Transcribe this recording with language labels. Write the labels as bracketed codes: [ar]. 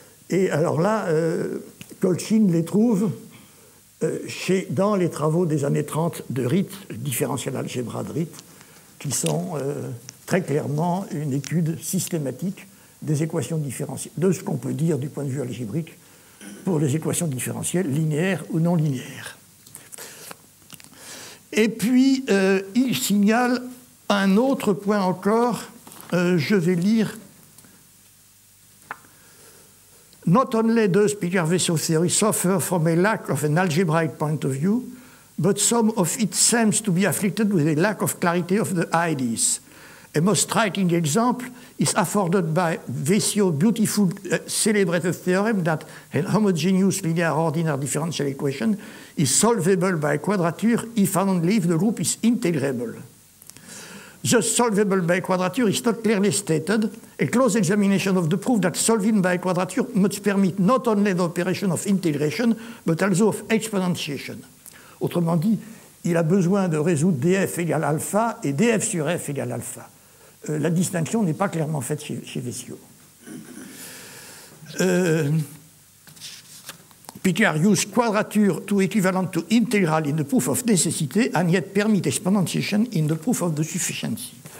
[fr] Et alors là, Colchin les trouve dans les travaux des années 30 de Ritt, différentiel algébra de Ritt, qui sont très clairement une étude systématique des équations différentielles, de ce qu'on peut dire du point de vue algébrique pour les équations différentielles, linéaires ou non linéaires. Et puis, il signale un autre point encore, je vais lire. [en] Not only does Picard-Vessio theory suffer from a lack of an algebraic point of view, but some of it seems to be afflicted with a lack of clarity of the ideas. A most striking example is afforded by Vessio's beautiful celebrated theorem that a homogeneous linear ordinary differential equation is solvable by quadrature if and only if the group is integrable. The solvable by quadrature is not clearly stated. A close examination of the proof that solving by quadrature must permit not only the operation of integration, but also of exponentiation. [fr] Autrement dit, il a besoin de résoudre df égale alpha et df sur f égale alpha. La distinction n'est pas clairement faite chez Vessio. [en] Picard used quadrature to equivalent to integral in the proof of necessity and yet permit exponentiation in the proof of the sufficiency.